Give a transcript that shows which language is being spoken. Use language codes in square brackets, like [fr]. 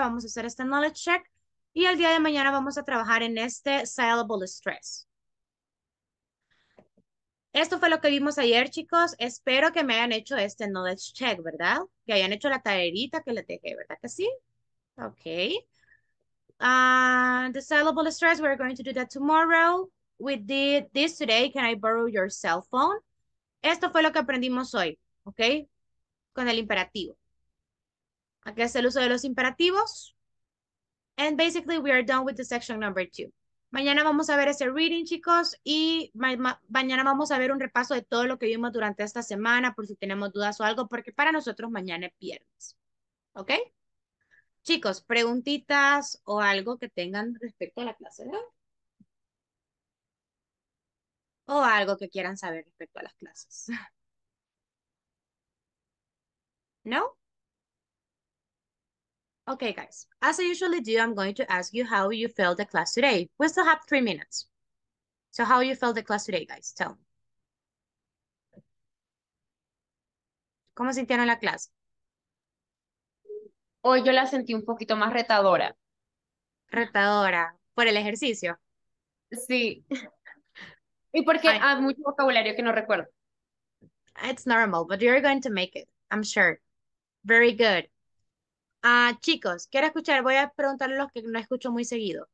[es] Vamos a hacer este knowledge check. Y el día de mañana vamos a trabajar en este syllable stress. Esto fue lo que vimos ayer, chicos. Espero que me hayan hecho este knowledge check, ¿verdad? Que hayan hecho la tarerita que les dejé, ¿verdad que sí? [en] Ok. The syllable stress, we're going to do that tomorrow. We did this today. Can I borrow your cell phone? [es] Esto fue lo que aprendimos hoy, ¿ok? Con el imperativo. Aquí es el uso de los imperativos. [en] And basically, we are done with the section number 2. [es] Mañana vamos a ver ese reading, chicos, y mañana vamos a ver un repaso de todo lo que vimos durante esta semana, por si tenemos dudas o algo, porque para nosotros mañana es viernes. ¿Ok? Chicos, preguntitas o algo que tengan respecto a la clase de hoy. O algo que quieran saber respecto a las clases. ¿No? [en] Okay, guys, as I usually do, I'm going to ask you how you felt the class today. We still have 3 minutes. So how you felt the class today, guys? Tell me. [es] ¿Cómo sintieron la clase? Hoy yo la sentí un poquito más retadora. ¿Retadora? ¿Por el ejercicio? Sí. Y porque hay mucho vocabulario que no recuerdo. [en] It's normal, but you're going to make it. I'm sure. Very good. [es] Chicos, quiero escuchar. Voy a preguntar a los que no escucho muy seguido.